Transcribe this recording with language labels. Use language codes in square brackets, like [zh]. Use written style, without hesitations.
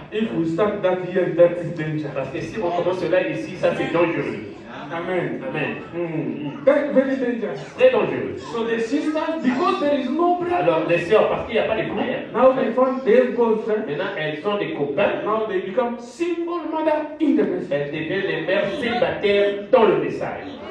[en] If we start that here, that is dangerous. [fr] Parce que si on commence cela ici, ça c'est dangereux. [en] Amen. [fr] Amen. [en] That's very dangerous. [fr] Très dangereux. [en] So the sisters, because there is no brother. [fr] Alors les sœurs, parce qu'il n'y a pas de frère. [en] Now they find their boyfriend. [fr] Maintenant elles sont des copains. [en] Now they become single mother in the message. [fr] Elles deviennent les mères célibataires dans le message.